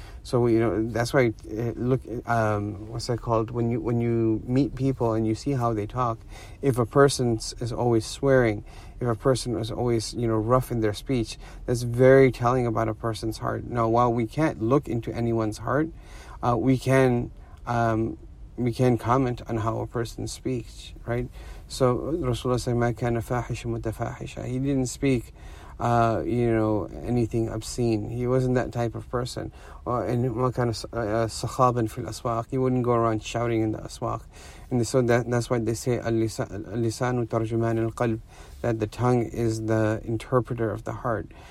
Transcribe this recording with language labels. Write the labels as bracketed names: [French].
[English] So, you know, that's why, when you meet people and you see how they talk, if a person is always swearing, if a person is always, you know, rough in their speech, that's very telling about a person's heart. Now, while we can't look into anyone's heart, we can comment on how a person speaks, right? So, Rasulullah said, [Arabic] مَا كَانَ فَاحِشًا مُتَفَاحِشًا. [English] He didn't speak, anything obscene. He wasn't that type of person. And what kind of sahaban fil aswaq? He wouldn't go around shouting in the aswaq. And so that's why they say [Arabic] al-lisanu tarjuman al-qalb, [English] that the tongue is the interpreter of the heart.